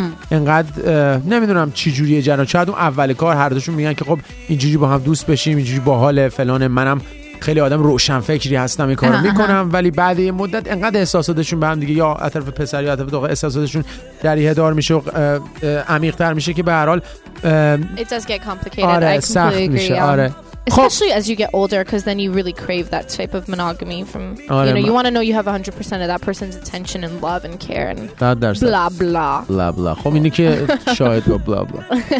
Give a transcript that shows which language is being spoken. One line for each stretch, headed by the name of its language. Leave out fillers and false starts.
Persian: اینقدر نمیدونم چی جوریه جنا، چاید اون اول کار هر دوشون میگن که خب اینجوری با هم دوست بشیم، اینجوری با حال فلانه، منم خیلی آدم روشن فکری هستم، این کار میکنم، ولی بعد یه مدت اینقدر احساساتشون به هم دیگه، یا اطرف پسر یا اطرف دختر، احساساتشون دریه دار میشه و عمیق‌تر میشه که به هر حال
English: It does get complicated.
Persian: آره، سخت میشه. آره.
English: Especially as you get older, because then you really crave that type of monogamy from, you know, you want to know you have 100% of that person's attention and love and care and blah, blah. Blah, blah.
Persian: خب اینی که شاید با
English: blah, blah.